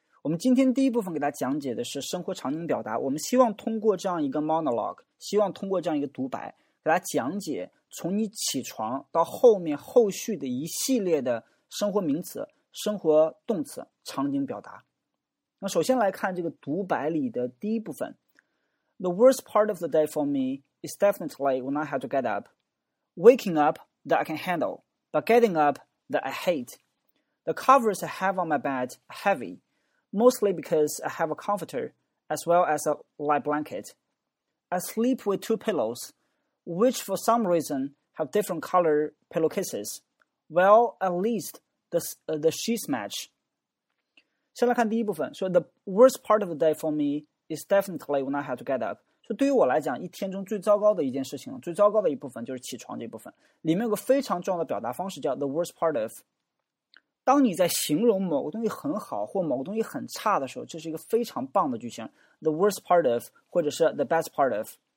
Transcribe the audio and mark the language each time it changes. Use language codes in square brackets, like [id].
[zh] 我们今天第一部分给大家讲解的是生活场景表达，我们希望通过这样一个 monologue， 希望通过这样一个独白给大家讲解从你起床到后面后续的一系列的生活名词、生活动词、场景表达。那首先来看这个独白里的第一部分。 [en] The worst part of the day for me is definitely when I have to get up. Waking up that I can handle, but getting up that I hate. The covers I have on my bed are heavy, mostly because I have a comforter as well as a light blanket. I sleep with two pillows, which for some reason have different color pillowcases. Well, at least the sheets match. [zh] 先来看第一部分，说 [en] the worst part of the day for me is definitely when I have to get up. [zh] 说对于我来讲，一天中最糟糕的一件事情，最糟糕的一部分就是起床这部分。里面有个非常重要的表达方式叫 [en] the worst part of。 [zh] 当你在形容某个东西很好或某个东西很差的时候，这是一个非常棒的句型。 [en] The worst part of， [zh] 或者是 [en] the best part of。